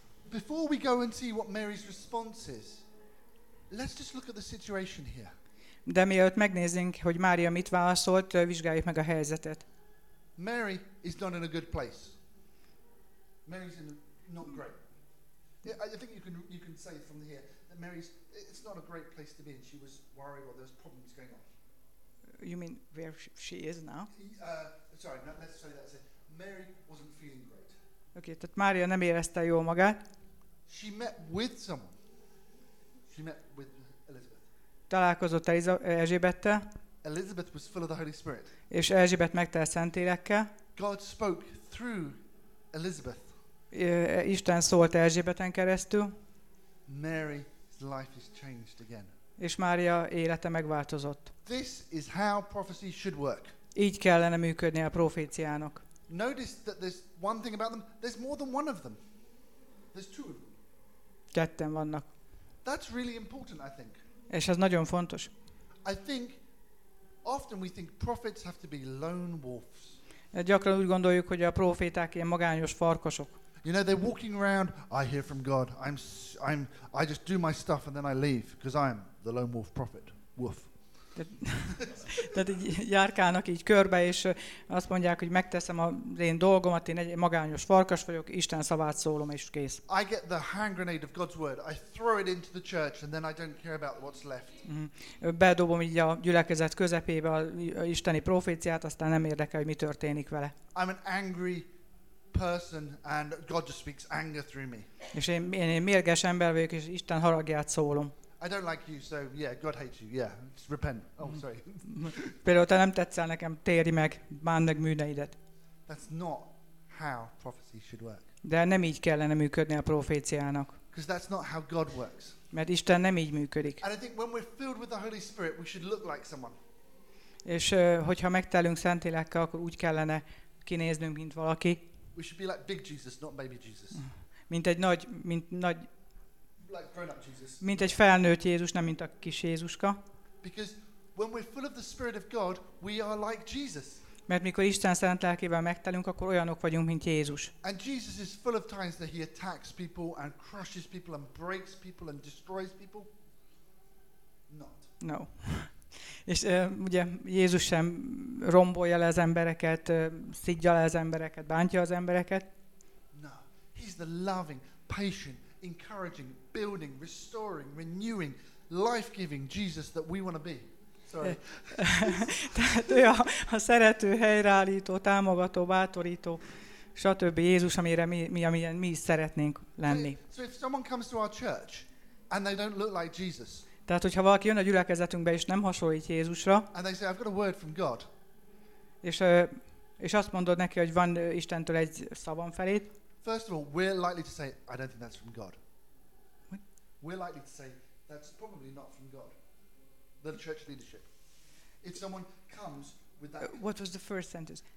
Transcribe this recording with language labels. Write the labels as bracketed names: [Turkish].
[English] Before we go and see what Mary's response is, let's just look at the situation here. [Hungarian] De mielőtt megnézzünk, hogy Mária mit válaszolt, vizsgáljuk meg a helyzetet. [English] Mary is not in a good place. Mary's in not great. Yeah, I think you can say from here that Mary's it's not a great place to be in. She was worried or there's problems going on. You mean where she is now? Sorry, not necessarily that. Mary wasn't feeling great. [Hungarian] Okay, tehát Mária nem érezte jól magát. [English] She met with someone. She met with Elizabeth. [Hungarian] Találkozott Erzsébettel. [English] Elizabeth was full of the Holy Spirit. [Hungarian] És Erzsébet megtelt Szentlélekkel. [English] God spoke through Elizabeth. [Hungarian] Isten szólt Erzsébeten keresztül. [English] Mary's life is changed again. [Hungarian] És Mária élete megváltozott. [English] This is how prophecy should work. [Hungarian] Így kellene működni a proféciának. [English] Notice that there's one thing about them. There's more than one of them. There's two of them. [Hungarian] Ketten vannak. [English] That's really important, I think. [Hungarian] És ez nagyon fontos. [English] I think often we think prophets have to be lone wolves. [Hungarian] Gyakran úgy gondoljuk, hogy a proféták ilyen magányos farkasok. [English] You know, they're walking around, I hear from God. I just do my stuff and then I leave because I'm the lone wolf prophet. Woof. [Hungarian] Tehát így járkálnak így körbe, és azt mondják, hogy megteszem az én dolgomat, én egy magányos farkas vagyok, Isten szavát szólom, és kész. [English] I get the hand grenade of God's word, I throw it into the church, and then I don't care about what's left. [Hungarian] Bedobom így a gyülekezet közepébe az isteni proféciát, aztán nem érdekel, hogy mi történik vele. [English] I'm an angry person, and God just speaks anger through me. [Hungarian] És én mérges ember vagyok, és Isten haragját szólom. [English] I don't like you, so yeah, God hates you. Yeah, just repent. Oh, sorry. [Hungarian] Például te nem tetszel nekem, térj meg, bánd meg műneidet. [English] That's not how prophecy should work. [Hungarian] De nem így kellene működni a proféciának. [English] Because that's not how God works. [Hungarian] Mert Isten nem így működik. [English] And I think when we're filled with the Holy Spirit, we should look like someone. [Hungarian] És hogyha megtelünk Szentlélekkel, akkor úgy kellene kinéznünk, mint valaki. [English] We should be like big Jesus, not baby Jesus. [Hungarian] Mint egy nagy. [English] Like grown-up Jesus. [Hungarian] Mint egy felnőtt Jézus, nem mint a kis Jézuska. [English] Because when we're full of the Spirit of God, we are like Jesus. [Hungarian] Mert mikor Isten szent lelkével megtelünk, akkor olyanok vagyunk, mint Jézus. [English] And Jesus is full of times that he attacks people and crushes people and breaks people and destroys people. No. [Hungarian] És ugye Jézus sem rombolja le az embereket, szidja le az embereket, bántja az embereket. [English] No. He's the loving, patient, encouraging, building, restoring, renewing, life-giving Jesus that we want to be. [Hungarian] Tehát ő a szerető, helyreállító, támogató, bátorító, stb. Jézus, amire mi is szeretnénk lenni. [English] So if someone comes to our church and they don't look like Jesus. [Hungarian] Tehát, hogyha valaki jön a gyülekezetünkbe és nem hasonlít Jézusra, [English] and they say, I've got a word from God. [Hungarian] És azt mondod neki, hogy van Istentől egy szavam felét. [English] First of all, we're likely to say, I don't think that's from God. We're likely to say, that's probably not from God. The church leadership. If someone comes with that. What was the first sentence?